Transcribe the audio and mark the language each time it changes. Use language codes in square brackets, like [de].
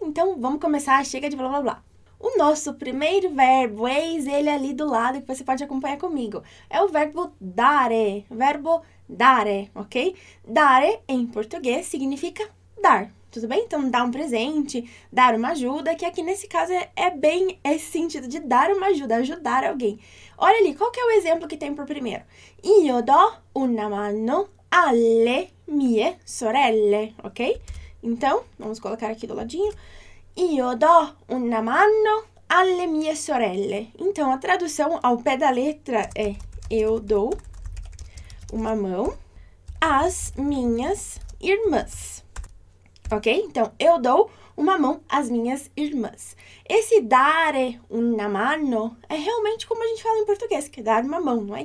[pt] Então vamos começar, chega de blá blá blá. O nosso primeiro verbo, eis ele ali do lado que você pode acompanhar comigo, é o verbo dare. Verbo dare, ok? Dare em português significa dar, tudo bem? Então, dar um presente, dar uma ajuda, que aqui nesse caso é bem esse sentido de dar uma ajuda, ajudar alguém. Olha ali, qual que é o exemplo que tem por primeiro? [it] Io do una mano alle mie sorelle, ok? [pt] Então, vamos colocar aqui do ladinho. [it] Io do una mano alle mie sorelle. [pt] Então, a tradução ao pé da letra é eu dou uma mão às minhas irmãs, ok? Então, eu dou uma mão às minhas irmãs. Esse [it] dare una mano [pt] é realmente como a gente fala em português, que é dar uma mão, não é?